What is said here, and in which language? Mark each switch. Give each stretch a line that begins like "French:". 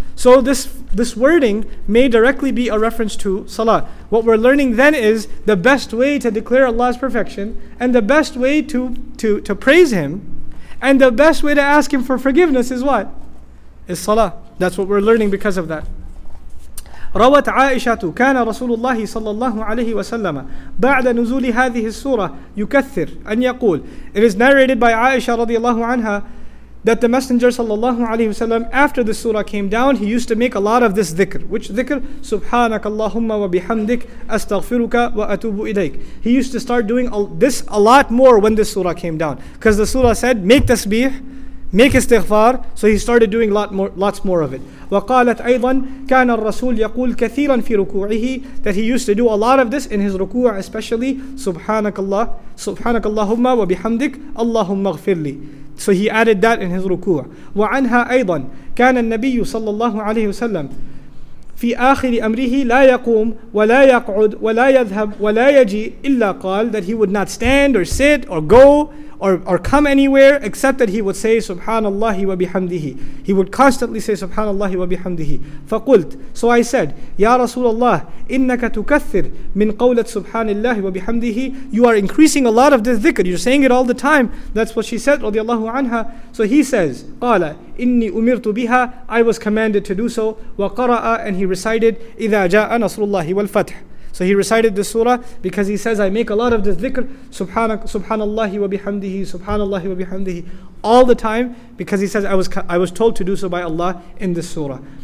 English: So this wording may directly be a reference to salah. What we're learning then is the best way to declare Allah's perfection and the best way to praise Him and the best way to ask Him for forgiveness is what? Is salah. That's what we're learning because of that.
Arabic: روت عائشة كان رسول الله صلى الله عليه وسلم بعد نزول هذه السورة يكثر أن يقول.
English: It is narrated by Aisha رضي الله عنها that the Messenger صلى الله عليه وسلم, after the surah came down, he used to make a lot of this dhikr. Which dhikr?
Arabic: سبحانك اللهم وبحمدك أستغفرك وأتوب إليك.
English: He used to start doing this a lot more when this surah came down, because the surah said make tasbih, make istighfar, so he started doing lots more of it.
Arabic: وقالت أيضا كان الرسول يقول كثيرا في ركوعه,
English: that he used to do a lot of this in his
Arabic: ركوع, especially سبحانك الله, سبحانك اللهم وبحمدك اللهم اغفر لي.
English: So he added that in his ركوع.
Arabic: وعنها أيضا كان النبي صلى الله عليه وسلم في آخر أمره لا يقوم ولا يقعد ولا يذهب ولا يجي إلا قال,
English: that he would not stand or sit or go or come anywhere except that he would say Subhanallah wa bihamdihi. He would constantly say Subhanallah wa bihamdihi.
Arabic: فقلت,
English: so I said,
Arabic: يا رسول الله إنك تكثر من قولة سبحان الله wa bihamdihi.
English: You are increasing a lot of this dhikr, you're saying it all the time. That's what she said رضي الله عنها. So he says,
Arabic: قال إني أمرت بها,
English: I was commanded to do so.
Arabic: وقرأ,
English: and he recited
Arabic: إذا جاء نصر الله والفتح.
English: So he recited this surah because he says, I make a lot of this dhikr, subhanallah wa bihamdihi, subhanallah wa bihamdihi, all the time, because he says, I was told to do so by Allah in this surah.